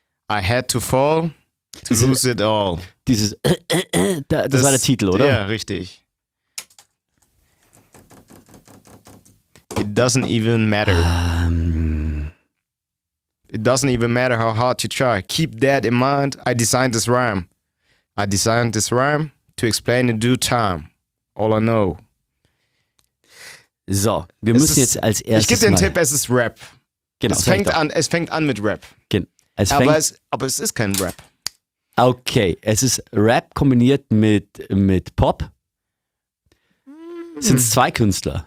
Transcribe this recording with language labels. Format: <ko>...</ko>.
<en>I had to fall to lose it all.</en> <de>Dieses das war der Titel, oder? Ja, richtig.</de> <en>It doesn't even matter. It doesn't even matter how hard you try. Keep that in mind. I designed this rhyme. I designed this rhyme to explain in due time. All I know.</en> <de>So, wir müssen jetzt als erstes. Ich gebe dir einen Mal. Tipp, es ist Rap. Genau. Es fängt an mit Rap. Genau. Aber es ist kein Rap. Okay, es ist Rap kombiniert mit Pop. Sind es zwei Künstler?</de>